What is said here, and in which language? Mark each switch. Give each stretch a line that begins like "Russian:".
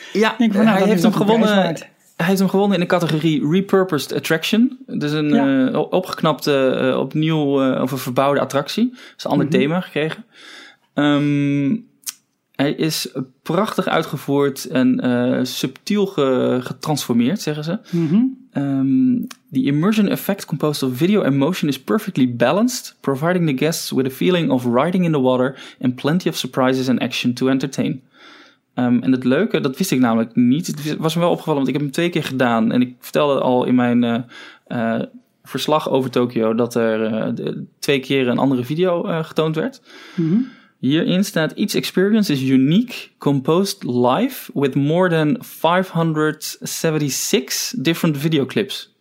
Dutch: Ja, denk van, hij heeft hem gewonnen. Hij heeft hem gewonnen in de categorie Repurposed Attraction. Dus een opgeknapte, opnieuw of een verbouwde attractie. Dat is een ander thema gekregen. Hij is prachtig uitgevoerd en subtiel getransformeerd, zeggen ze. Mm-hmm.
English: The immersion effect composed of video and motion is perfectly balanced, providing the guests with a feeling of riding in the water and plenty of surprises and action to entertain.
Dutch: En het leuke, dat wist ik namelijk niet. Het was me wel opgevallen, want ik heb hem twee keer gedaan. En ik vertelde al in mijn verslag over Tokio dat er twee keer een andere video getoond werd. Mm-hmm. Hierin staat,
English: each experience is unique, composed live with more than 576 different videoclips.